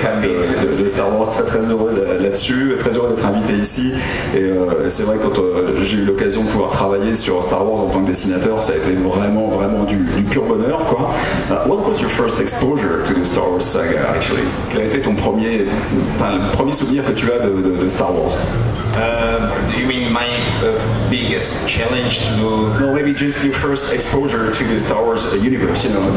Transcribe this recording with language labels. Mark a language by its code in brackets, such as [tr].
[en] happy [fr] de Star Wars, très très heureux là-dessus, très heureux d'être invité ici, et c'est vrai que quand j'ai eu l'occasion de pouvoir travailler sur Star Wars en tant que dessinateur, ça a été vraiment vraiment du pur bonheur, quoi. [en] What was your first exposure to the Star Wars saga, actually? [fr] Quel a été ton premier souvenir que tu as de Star Wars? [en] Do you mean my biggest challenge to do? No, maybe just your first exposure to the Star Wars universe, you know.